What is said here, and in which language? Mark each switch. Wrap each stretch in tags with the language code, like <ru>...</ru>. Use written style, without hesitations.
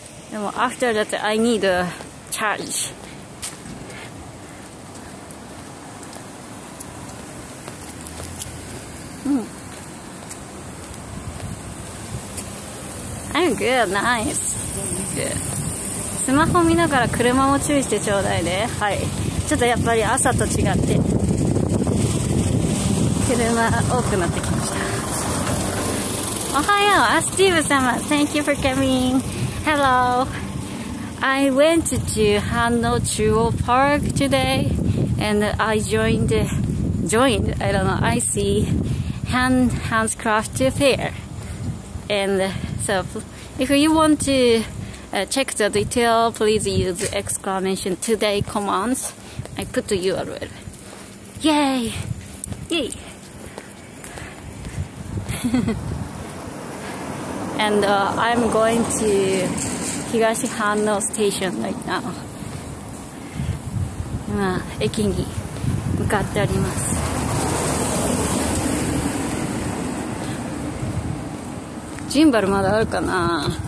<en>でも after that I need a chargeI'm good, nice. Good.</en> <ja>スマホ見ながら車も注意してちょうだいね。はい。ちょっとやっぱり朝と違って車多くなってきました。おはよう、アスティーブ様。</ja> <en>Thank you for coming. Hello. I went to Hano Chuo Park today, and I joined. I don't know. I see handcraft fair, and so. If you want to、check the detail, please use exclamation today commands. I put the URL. Yay! Yay! And、I'm going to Higashi Hanno Station right now.</en> <ja>今、駅に向かっております。ジンバルまだあるかな。</ja>